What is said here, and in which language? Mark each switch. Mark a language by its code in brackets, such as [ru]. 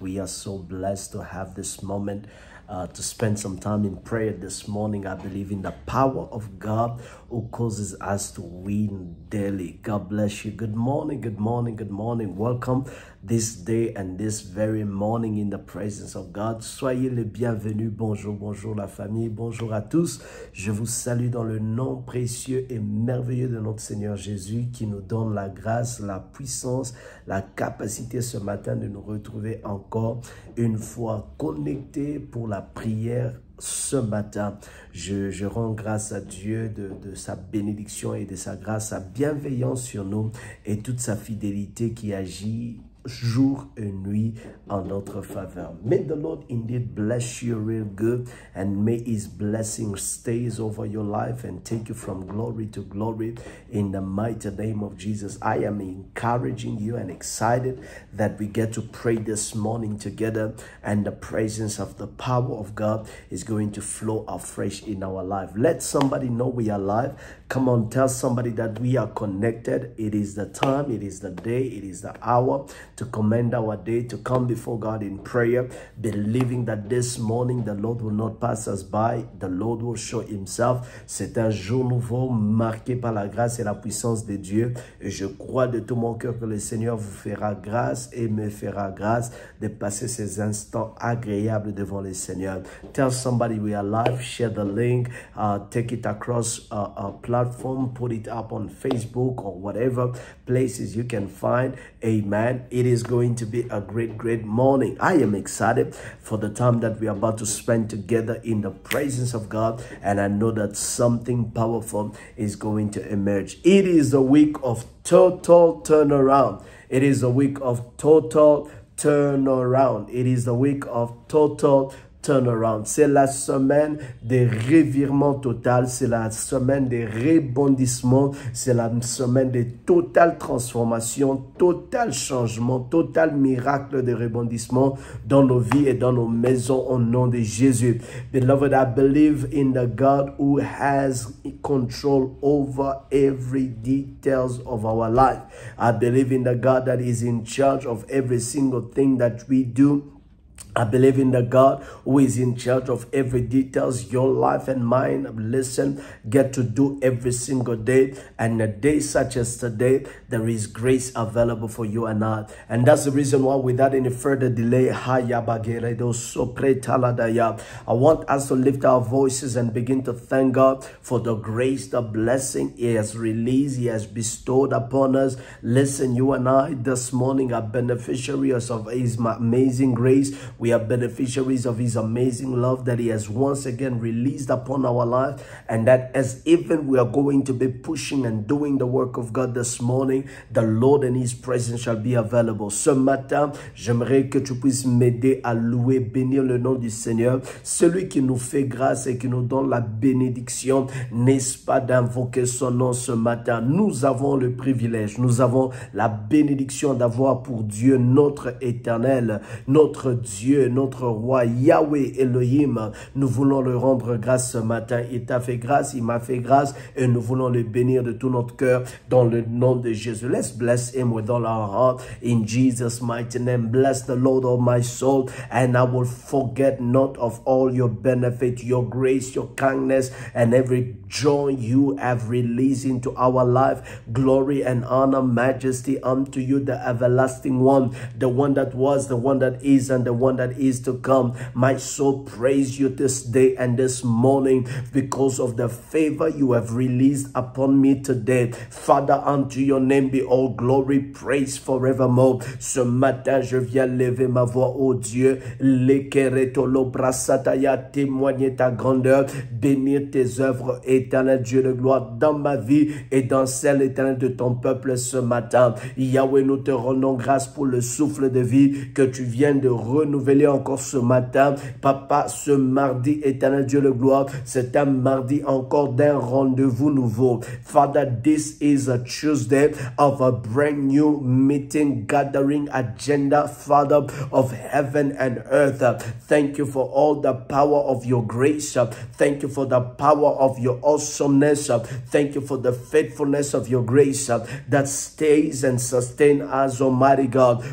[en] We are so blessed to have this moment to spend some time in prayer this morning. I believe in the power of God who causes us to win daily. God bless you. Good morning, good morning, good morning. Welcome this day and this very morning in the presence of God. [fr] Soyez les bienvenus. Bonjour, bonjour la famille. Bonjour à tous. Je vous salue dans le nom précieux et merveilleux de notre Seigneur Jésus qui nous donne la grâce, la puissance, la capacité ce matin de nous retrouver encore une fois connectés pour la prière ce matin. Je rends grâce à Dieu de sa bénédiction et de sa grâce, sa bienveillance sur nous et toute sa fidélité qui agit jour et nuit en notre faveur. [en] May the Lord indeed bless you real good and may his blessing stays over your life and take you from glory to glory in the mighty name of Jesus. I am encouraging you and excited that we get to pray this morning together and the presence of the power of God is going to flow afresh in our life. Let somebody know we are alive. Come on, tell somebody that we are connected. It is the time, it is the day, it is the hour to commend our day, to come before God in prayer, believing that this morning the Lord will not pass us by, the Lord will show himself. [fr] C'est un jour nouveau marqué par la grâce et la puissance de Dieu. Et je crois de tout mon cœur que le Seigneur vous fera grâce et me fera grâce de passer ces instants agréables devant le Seigneur. [en] Tell somebody we are live, share the link, take it across our platform, put it up on Facebook or whatever places you can find. Amen. It is going to be a great, great morning. I am excited for the time that we are about to spend together in the presence of God. And I know that something powerful is going to emerge. It is a week of total turnaround. It is a week of total turnaround. It is a week of total turnaround. [fr] C'est la semaine des revirements total. C'est la semaine des rebondissements. C'est la semaine des total transformation, total changement, total miracle de rebondissement dans nos vies et dans nos maisons au nom de Jésus. [en] Beloved, I believe in the God who has control over every details of our life. I believe in the God that is in charge of every single thing that we do. I believe in the God who is in charge of every details, your life and mine. Listen, get to do every single day. And a day such as today, there is grace available for you and I. And that's the reason why without any further delay, I want us to lift our voices and begin to thank God for the grace, the blessing he has released, he has bestowed upon us. Listen, you and I this morning are beneficiaries of his amazing grace. We are beneficiaries of his amazing love that he has once again released upon our life, and that as even we are going to be pushing and doing the work of God this morning, the Lord and his presence shall be available. [fr] Ce matin, j'aimerais que tu puisses m'aider à louer, bénir le nom du Seigneur, celui qui nous fait grâce et qui nous donne la bénédiction, n'est-ce pas, d'invoquer son nom ce matin. Nous avons le privilège, nous avons la bénédiction d'avoir pour Dieu notre éternel, notre Dieu. Dieu, notre roi, Yahweh Elohim, nous voulons le rendre grâce ce matin. Il t'a fait grâce, il m'a fait grâce et nous voulons le bénir de tout notre cœur dans le nom de Jésus. [en] Let's bless him with all our heart in Jesus' mighty name. Bless the Lord of my soul and I will forget not of all your benefit, your grace, your kindness and every joy you have released into our life. Glory and honor, majesty unto you, the everlasting one, the one that was, the one that is and the one that is to come. My soul praise you this day and this morning because of the favor you have released upon me today. Father, unto your name be all glory, praise forevermore. [fr] Ce matin, je viens lever ma voix, oh Dieu, l'ekeretolo brasataya, témoigner ta grandeur, bénir tes œuvres, éternel Dieu de gloire, dans ma vie et dans celle éternelle de ton peuple ce matin. Yahweh, nous te rendons grâce pour le souffle de vie que tu viens de renouveler renouveler encore ce matin. Papa, ce mardi, éternel Dieu de gloire, c'est un mardi encore d'un rendez-vous nouveau. [en] Father, this is a Tuesday of a brand new meeting, gathering agenda, Father of heaven and earth. Thank you for all the power of your grace. Thank you for the power of your awesomeness. Thank you for the faithfulness of your grace that stays and sustains us, Almighty God.